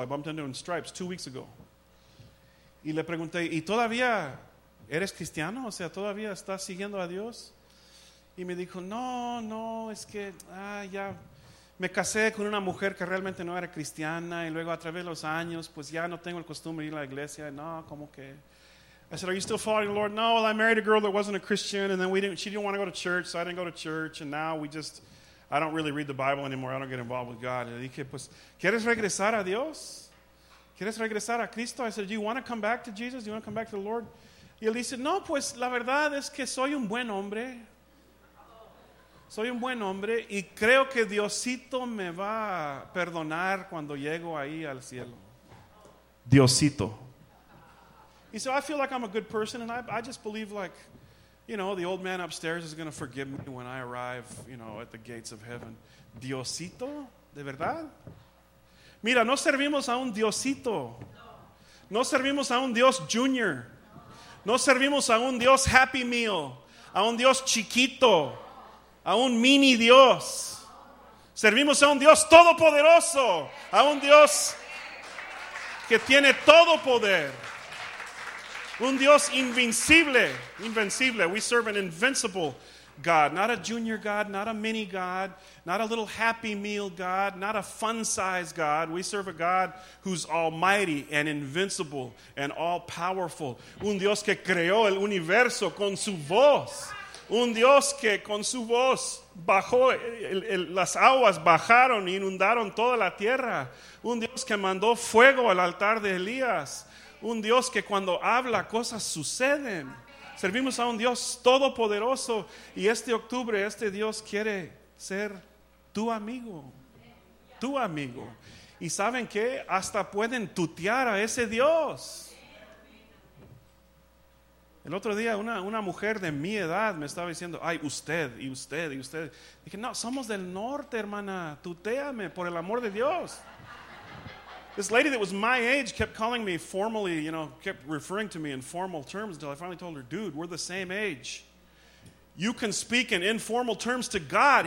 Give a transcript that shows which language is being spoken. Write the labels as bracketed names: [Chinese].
[English] I bumped into him in Stripes 2 weeks ago. [Spanish] Y le pregunté, ¿y todavía eres cristiano? O sea, ¿todavía estás siguiendo a Dios? Y me dijo, no, es que ya me casé con una mujer que realmente no era cristiana. Y luego a través de los años, pues ya no tengo el costumbre de ir a la iglesia. No, ¿cómo que? [English] I said, are you still following the Lord? No, well, I married a girl that wasn't a Christian. And then she didn't want to go to church, so I didn't go to church. And now I don't really read the Bible anymore. I don't get involved with God. [Spanish] Y dije, pues, ¿quieres regresar a Dios? ¿Quieres regresar a Cristo? [English] I said, do you want to come back to Jesus? Do you want to come back to the Lord? [Spanish] Y él dice, no, pues, la verdad es que soy un buen hombre. Soy un buen hombre y creo que Diosito me va a perdonar cuando llego ahí al cielo. Diosito. [English] He said, I feel like I'm a good person and I just believe like, you know, the old man upstairs is going to forgive me when I arrive, you know, at the gates of heaven. [Spanish] Diosito, ¿de verdad? Mira, no servimos a un Diosito. No servimos a un Dios Junior. No servimos a un Dios Happy Meal. A un Dios Chiquito. A un mini Dios. Servimos a un Dios Todopoderoso. A un Dios que tiene todo poder. Un Dios invincible, invencible. [English] We serve an invincible God, not a junior God, not a mini God, not a little happy meal God, not a fun size God. We serve a God who's almighty and invincible and all powerful. [Spanish] Un Dios que creó el universo con su voz. Un Dios que con su voz bajó, las aguas bajaron e inundaron toda la tierra. Un Dios que mandó fuego al altar de Elías. Un Dios que cuando habla, cosas suceden. Servimos a un Dios todopoderoso. Y este octubre, este Dios quiere ser tu amigo. Tu amigo. Y ¿saben qué? Hasta pueden tutear a ese Dios. El otro día una mujer de mi edad me estaba diciendo, ay, usted, y usted, y usted. Dije, no, somos del norte, hermana. Tutéame, por el amor de Dios. [English] This lady that was my age kept calling me formally, you know, kept referring to me in formal terms until I finally told her, dude, we're the same age. You can speak in informal terms to God.